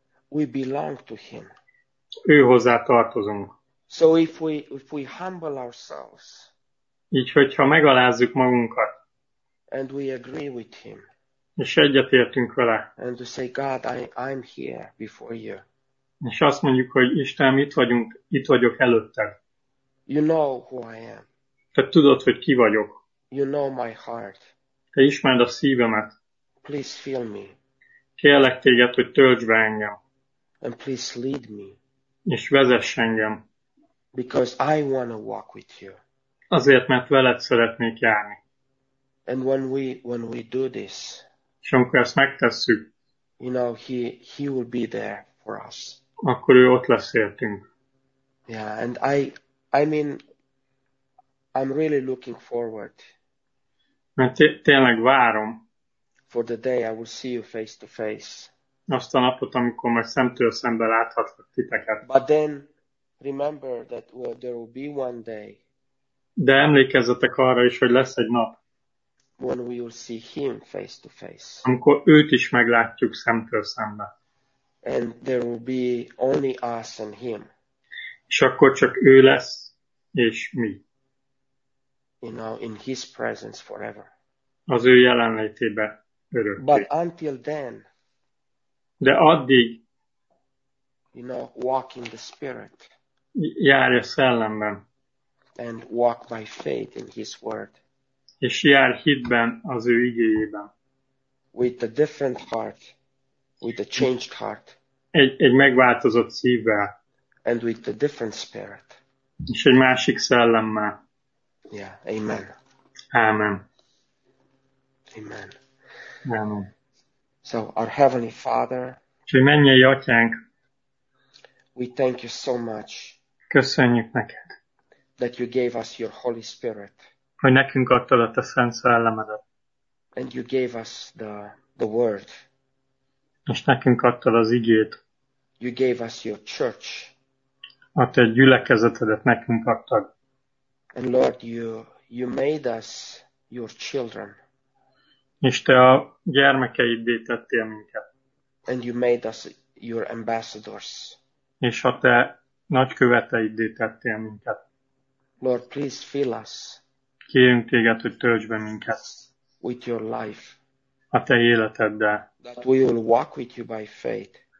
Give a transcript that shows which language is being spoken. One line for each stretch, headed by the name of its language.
English: We belong to him.
Hungarian: Ő hozzá tartozunk.
English: So if we humble ourselves.
Hungarian: Így, hogyha megalázzuk magunkat.
English: And we agree with him.
Hungarian: És egyetértünk vele.
English: And to say, God, I'm here before you.
Hungarian: És azt mondjuk, hogy Isten, itt vagyok előtted.
English: You know who I am.
Hungarian: Te tudod, hogy ki vagyok.
English: You know my heart.
Hungarian: Te ismered a szívemet.
English: Please fill me.
Hungarian: Kérlek téged, hogy töltsd be engem.
English: And please lead me.
Hungarian: És vezess engem.
English: Because I want to walk with you.
Hungarian: Azért, mert veled szeretnék járni.
English: And when we do this.
Hungarian: És amikor ezt megtesszük.
English: You know, he will be there. For us.
Hungarian: Akkor ő ott lesz értünk.
English: Yeah, and I mean, I'm really looking forward.
Hungarian: Mert tényleg várom.
English: For the day I will see you face to face.
Hungarian: Azt a napot, amikor már szemtől szembe láthatlak titeket.
English: But then, remember that there will be one day.
Hungarian: De emlékezzetek arra is, hogy lesz egy nap.
English: When we will see him face to face.
Hungarian: Amikor őt is meglátjuk szemtől szembe.
English: And there will be only us and him.
Hungarian: És akkor csak ő lesz és mi.
English: You know, in his presence forever.
Hungarian: Az ő jelenlétében örökké.
English: But until then.
Hungarian: De addig.
English: You know, walk in the spirit.
Hungarian: Járj a szellemben.
English: And walk by faith in his word.
Hungarian: és jár hitben az ő igéjében.
English: With a different heart, with a changed heart.
Hungarian: Egy megváltozott szívvel.
English: And with a different spirit.
Hungarian: És egy másik szellemmel.
English: Yeah, amen.
Hungarian: Amen.
English: Amen.
Hungarian: Amen.
English: So, our Heavenly Father,
Hungarian: és egy mennyei atyánk,
English: we thank you so much,
Hungarian: köszönjük neked,
English: that you gave us your Holy Spirit,
Hungarian: hogy nekünk adtad a te Szent Szellemedet,
English: and you gave us the Word,
Hungarian: és nekünk adtad az igét,
English: you gave us your church,
Hungarian: a te gyülekezetedet nekünk adtad,
English: and Lord, you made us your children,
Hungarian: és te a gyermekeiddé tettél minket,
English: and you made us your ambassadors,
Hungarian: és a te nagyköveteiddé tettél minket.
English: Lord, please fill us.
Hungarian: Kérünk téged, hogy töltsd be minket.
English: With your life.
Hungarian: A te életeddel.
English: That we will walk with you by faith.